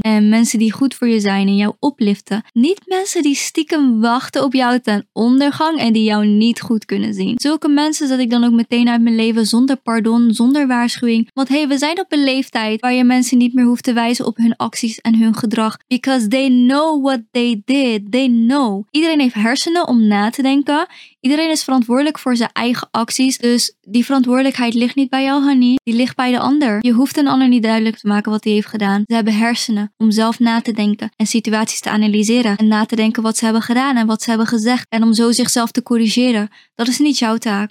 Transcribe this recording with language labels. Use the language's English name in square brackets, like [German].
[Dutch] En mensen die goed voor je zijn en jou opliften. Niet mensen die stiekem wachten op jou ten ondergang en die jou niet goed kunnen zien. Zulke mensen zet ik dan ook meteen uit mijn leven zonder pardon, zonder waarschuwing. Want hey, we zijn op een leeftijd waar je mensen niet meer hoeft te wijzen op hun acties en hun gedrag. [English] Because they know what they did. They know. [Dutch] Iedereen heeft hersenen om na te denken. Iedereen is verantwoordelijk voor zijn eigen acties. Dus die verantwoordelijkheid ligt niet bij jou, honey. Die ligt bij de ander. Je hoeft een ander niet duidelijk te maken wat hij heeft gedaan. Ze hebben hersenen om zelf na te denken en situaties te analyseren. En na te denken wat ze hebben gedaan en wat ze hebben gezegd. En om zo zichzelf te corrigeren. Dat is niet jouw taak.